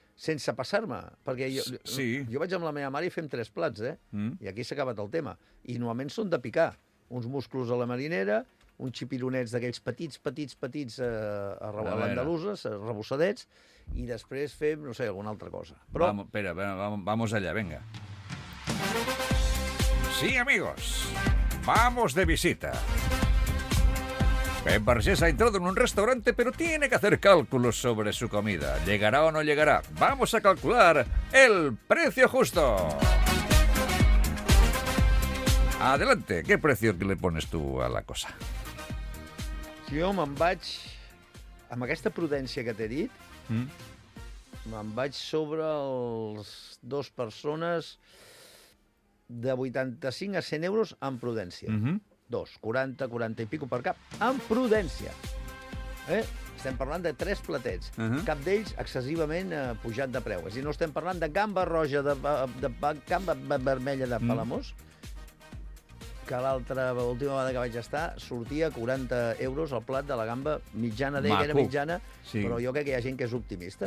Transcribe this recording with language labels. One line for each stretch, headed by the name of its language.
Catalan: Sense passar-me, perquè jo vaig amb la meva mare i fem tres plats, i aquí s'ha acabat el tema. I normalment són de picar. Uns musclos a la marinera, uns xipironets d'aquells petits a l'andalusa, rebossadets, i després fem, no sé, alguna altra cosa. Però...
Spanish: Vamos allà, venga. Sí, amigos, vamos de visita. Pep Vergés ha entrado en un restaurante, pero tiene que hacer cálculos sobre su comida. ¿Llegará o no llegará? Vamos a calcular el precio justo. Adelante, ¿qué precio le pones tú a la cosa?
Catalan: Si yo me'n vaig, amb aquesta prudència que t'he dit, me'n vaig sobre els dos persones de 85 a 100 euros amb prudència. Dos, 40, 40 i pico per cap, amb prudència. Estem parlant de tres platets, cap d'ells excessivament pujat de preu. És a dir, no estem parlant de gamba roja, de gamba vermella de Palamós, que l'altra, l'última vegada que vaig estar, sortia 40 euros al plat de la gamba mitjana, deia que era mitjana, però jo crec que hi ha gent que és optimista.